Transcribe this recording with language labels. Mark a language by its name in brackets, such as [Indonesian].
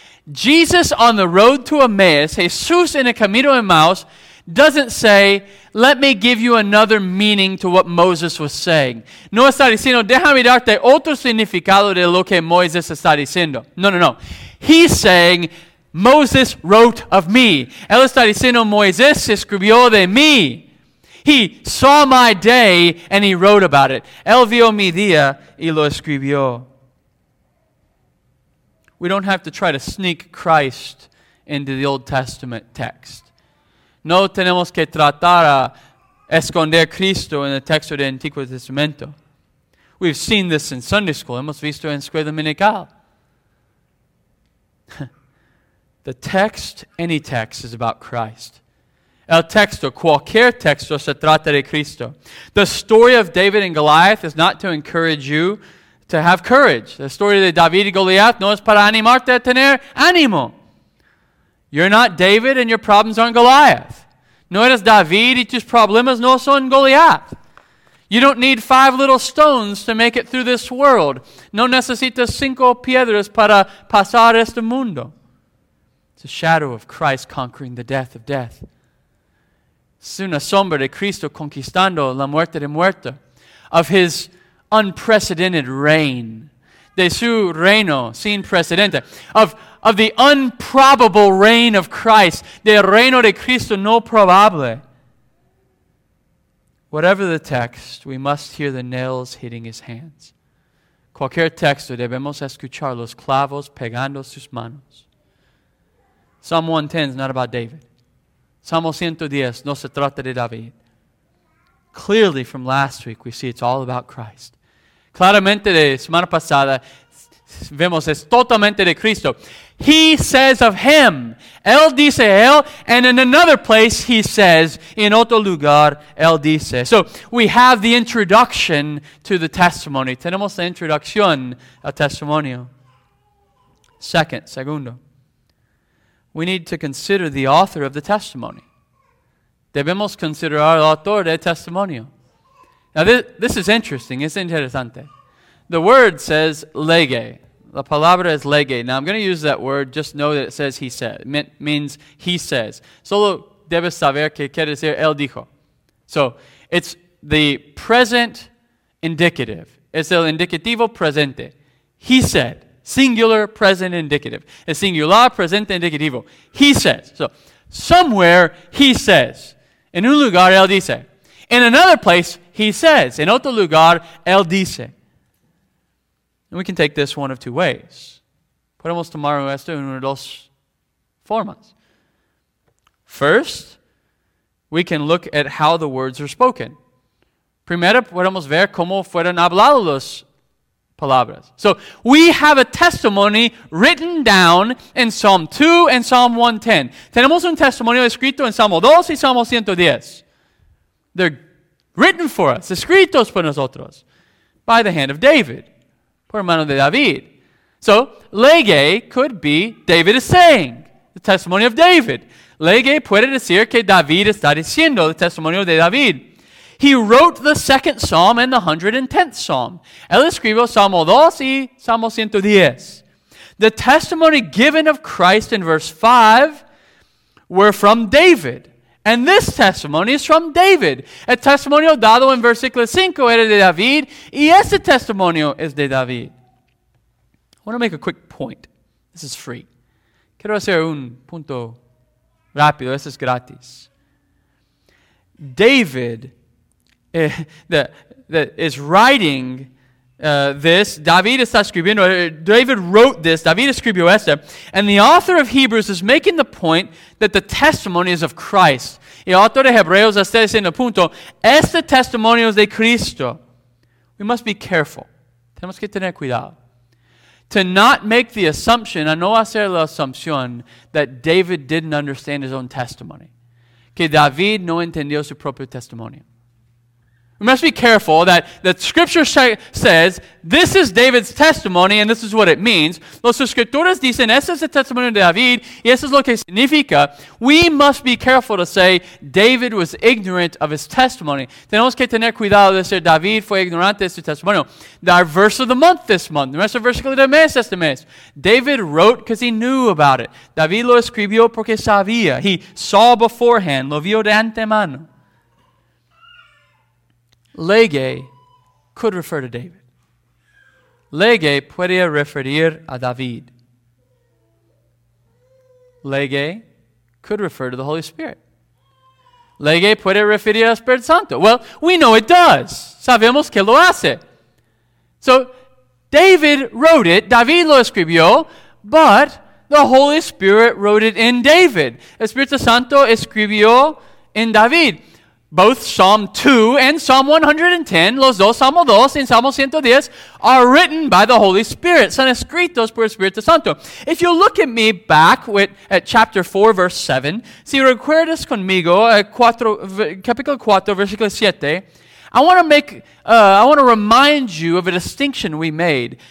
[English] Jesus on the road to Emmaus, [Spanish] Jesús en el camino a Emmaus, [English] doesn't say, let me give you another meaning to what Moses was saying. [Spanish] No está diciendo, déjame darte otro significado de lo que Moisés está diciendo. No, no, no. [English] He's saying, Moses wrote of me. [Spanish] Él está diciendo, Moisés escribió de mí. [English] He saw my day and he wrote about it. [Spanish] Él vio mi día y lo escribió. [English] We don't have to try to sneak Christ into the Old Testament text. [Spanish] No tenemos que tratar a esconder Cristo en el texto del Antiguo Testamento. [English] We've seen this in Sunday school. [Spanish] Hemos visto en Escuela Dominical. [English] The text, any text, is about Christ. [Spanish] El texto, cualquier texto, se trata de Cristo. [English] The story of David and Goliath is not to encourage you to have courage. The story of [Spanish] David y Goliath no es para animarte a tener ánimo. [English] You're not David and your problems aren't Goliath. [Spanish] No eres David y tus problemas no son Goliath. [English] You don't need five little stones to make it through this world. [Spanish] No necesitas cinco piedras para pasar este mundo. [English] It's a shadow of Christ conquering the death of death. [Spanish] Es una sombra de Cristo conquistando la muerte de muerte. [English] Of his unprecedented reign. [Spanish] De su reino sin precedente. [English] Of the improbable reign of Christ. [Spanish] Del reino de Cristo no probable. [English] Whatever the text, we must hear the nails hitting his hands. [Spanish] Cualquier texto, debemos escuchar los clavos pegando sus manos. [English] Psalm 110 is not about David. [Spanish] Psalm 110 no se trata de David. [English] Clearly from last week, we see it's all about Christ. [Spanish] Claramente de semana pasada, vemos es totalmente de Cristo. [English] He says of him, [Spanish] él dice él, [English] and in another place he says, in [Spanish] otro lugar, él dice. [English] So we have the introduction to the testimony. [Spanish] Tenemos la introducción al testimonio. [English] Segundo, we need to consider the author of the testimony. [Spanish] Debemos considerar el autor del testimonio. [English] Now this is interesting, [Spanish] es interesante. [English] The word says lege. [Spanish] La palabra es lege. [English] Now, I'm going to use that word. Just know that it says he said. It means he says. [Spanish] Solo debes saber que quiere decir él dijo. [English] So, it's the present indicative. [Spanish] Es el indicativo presente. [English] He said. Singular present indicative. [Spanish] Es singular presente indicativo. [English] He says. So, somewhere he says. [Spanish] En un lugar él dice. [English] In another place he says. [Spanish] En otro lugar él dice. [English] And we can take this one of two ways. [Spanish] Podemos tomar esto en una de dos formas. [English] First, we can look at how the words are spoken. [Spanish] Primero, podemos ver cómo fueron habladas las palabras. [English] So, we have a testimony written down in Psalm 2 and Psalm 110. [Spanish] Tenemos un testimonio escrito en Salmo 2 y Salmo 110. [English] They're written for us, [Spanish] escritos por nosotros, [English] by the hand of David. [Spanish] Por mano de David. [English] So, lege could be David is saying. The testimony of David. [Spanish] Lege puede decir que David está diciendo. [English] The testimony of David. He wrote the second psalm and the 110th psalm. [Spanish] Él escribió Salmo 2 y Salmo 110. [English] The testimony given of Christ in verse 5 were from David. And this testimony is from David. [Spanish] El testimonio dado en versículo 5 era de David, y ese testimonio es de David. [English] I want to make a quick point. This is free. [Spanish] Quiero hacer un punto rápido. Eso es gratis. [English] David is writing this. [Spanish] David está escribiendo. [English] David wrote this. [Spanish] David escribió esto. [English] And the author of Hebrews is making the point that the testimony is of Christ. [Spanish] Y autor de Hebreos está diciendo punto, este testimonio es de Cristo. [English] We must be careful. [Spanish] Tenemos que tener cuidado. [English] To not make the assumption, [Spanish] a no hacer la asunción, [English] that David didn't understand his own testimony. [Spanish] que David no entendió su propio testimonio. [English] We must be careful that the scripture says this is David's testimony and this is what it means. [Spanish] Los escrituras dicen, ese es el testimonio de David y eso es lo que significa. [English] We must be careful to say David was ignorant of his testimony. [Spanish] Tenemos que tener cuidado de decir David fue ignorante de su testimonio. [English] Our verse of the month this month, [Spanish] nuestro versículo de mes este mes. [English] David wrote because he knew about it. [Spanish] David lo escribió porque sabía. [English] He saw beforehand, [Spanish] lo vio de antemano. [English] Lege could refer to David. [Spanish] Lege puede referir a David. [English] Lege could refer to the Holy Spirit. [Spanish] Lege puede referir al Espíritu Santo. [English] Well, we know it does. [Spanish] Sabemos que lo hace. [English] So, David wrote it, [Spanish] David lo escribió, [English] but the Holy Spirit wrote it in David. [Spanish] Espíritu Santo escribió en David. [English] Both Psalm 2 and Psalm 110, [Spanish] los dos Salmos 2 y Salmo 110, [English] are written by the Holy Spirit. [Spanish] Son escritos por el Espíritu Santo. [English] If you look at me back at chapter 4, verse 7, [Spanish] si recuerdas conmigo, capítulo 4, versículo 7, [English] I want to remind you of a distinction we made.